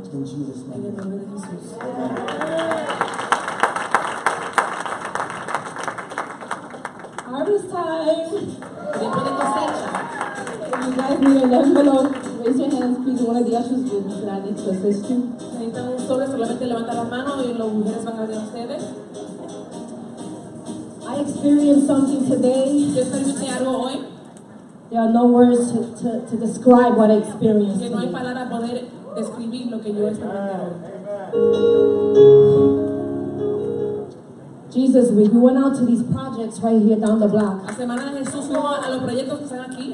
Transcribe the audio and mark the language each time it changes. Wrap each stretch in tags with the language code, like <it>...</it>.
<en>In Jesus' name.</en> <es>En el nombre de Jesús.</es> <en>Harvest time.</en> <es>De cosecha.</es> <en>If you guys need an envelope, raise your hands, please. One of the ushers will be glad to assist you.</en> <es>Necesitan un sobre, solamente levanta las manos y los mujeres van a ver a ustedes.</es> <en>I experienced something today. There are no words to describe what I experienced.</en> <es>Que no hay palabra poder describir lo que yo experimenté.</es> <en>Jesus, we went out to these projects right here down the block.</en> <es>La semana de Jesús fuimos a los proyectos que están aquí,</es>